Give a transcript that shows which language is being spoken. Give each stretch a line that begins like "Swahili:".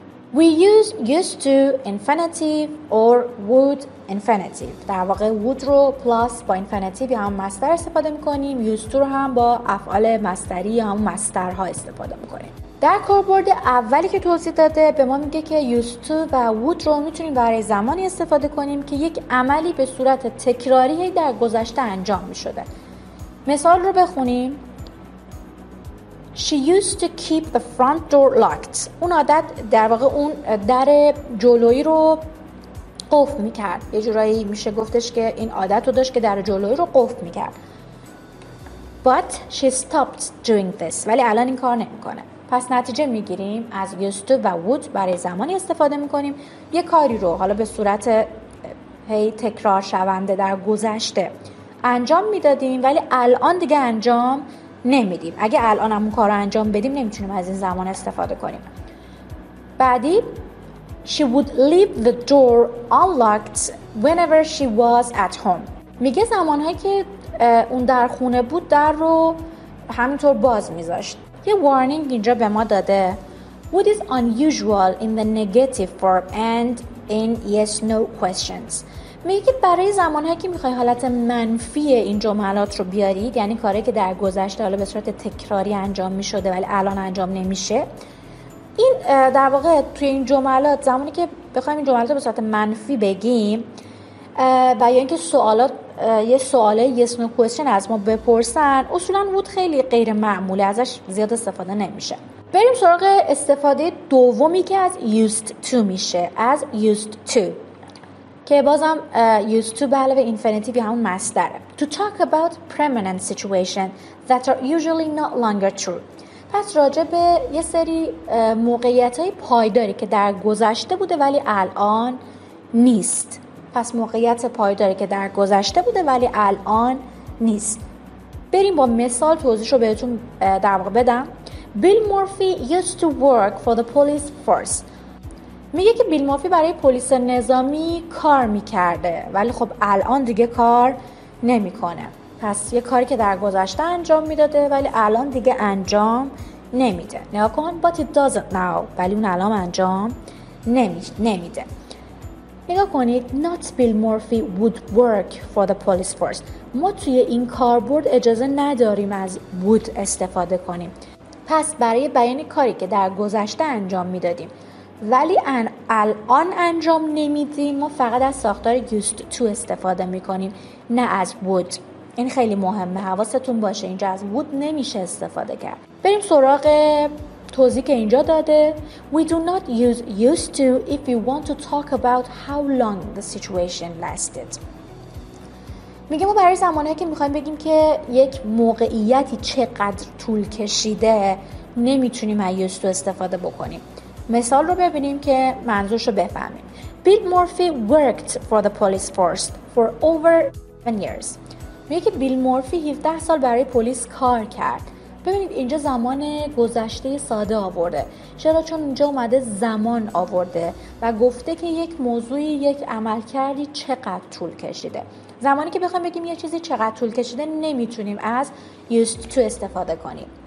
English: We use used to infinitive or would infinitive.
Persian: در واقع would رو پلاس با infinitive هم مصدر استفاده میکنیم. Used to رو هم با افعال مصدری هم مصدرها استفاده میکنیم. در کاربرد اولی که توضیح داده به ما میگه که used to و would رو میتونیم برای زمانی استفاده کنیم که یک عملی به صورت تکراری در گذشته انجام میشده. مثال رو بخونیم.
English: She used to keep the front door locked.
Persian: اون عادت در واقع اون در جلویی رو قفل میکرد. یه جورایی میشه گفتش که این عادت رو داشت که در جلویی رو قفل میکرد.
English: But she stopped doing this.
Persian: ولی الان این کار نمیکنه. پس نتیجه میگیریم از used to و would برای زمانی استفاده میکنیم. یه کاری رو حالا به صورت هی تکرار شونده در گذشته انجام میدادیم ولی الان دیگه انجام نمیدیم. اگه الان همون کار رو انجام بدیم نمیتونیم از این زمان استفاده کنیم. بعدی
English: She would leave the door unlocked whenever she was at home.
Persian: میگه زمانهایی که اون در خونه بود در رو همینطور باز میذاشت. یه وارنینگ اینجا به ما داده.
English: Would is unusual in the negative verb and in yes no questions.
Persian: میگه که برای زمانهایی که میخوای حالت منفی این جملات رو بیارید، یعنی کاری که در گذشته حالا به صورت تکراری انجام میشده ولی الان انجام نمیشه، این در واقع توی این جملات زمانی که بخوایم این جملات رو به صورت منفی بگیم و یا اینکه سوالات یه سواله yes no question از ما بپرسن، اصولا وود خیلی غیر معموله، ازش زیاد استفاده نمیشه. بریم سراغ استفاده دومی که از used to میشه، از used to که بازم used to به علاوه infinitive یا همون مصدره.
English: To talk about permanent situation that are usually not longer true.
Persian: پس راجع به یه سری موقعیت‌های پایداری که در گذشته بوده ولی الان نیست. پس موقعیت پایداری که در گذشته بوده ولی الان نیست. بریم با مثال توضیحش رو بهتون در واقع بدم.
English: Bill Murphy used to work for the police force.
Persian: میگه که بیل مورفی برای پلیس نظامی کار میکرده ولی خب الان دیگه کار نمیکنه. پس یه کاری که در گذشته انجام میداده ولی الان دیگه انجام نمیده. نگاه کن
English: but it doesn't now
Persian: ولی اون الان انجام نمیده. نگاه کنید
English: not Bill Murphy would work for the police force.
Persian: ما توی این کاربرد اجازه نداریم از would استفاده کنیم. پس برای بیان کاری که در گذشته انجام میدادیم ولی الان انجام نمیدیم ما فقط از ساختار used to استفاده میکنیم نه از would. این خیلی مهمه، حواستون باشه اینجا از would نمیشه استفاده کرد. بریم سراغ توضیح که اینجا داده.
English: We do not use used to if we want to talk about how long the situation lasted.
Persian: میگه ما برای زمانهایی که میخواییم بگیم که یک موقعیتی چقدر طول کشیده نمیتونیم از used to استفاده بکنیم. مثال رو ببینیم که منظورش رو بفهمیم.
English: Bill Murphy worked for the police force for over 7 years.
Persian: میگه که بیل مورفی 17 سال برای پلیس کار کرد. ببینید اینجا زمان گذشته ساده آورده. چرا؟ چون اینجا اومده زمان آورده و گفته که یک موضوعی یک عمل کردی چقدر طول کشیده. زمانی که بخوایم بگیم یه چیزی چقدر طول کشیده نمیتونیم از used to استفاده کنیم.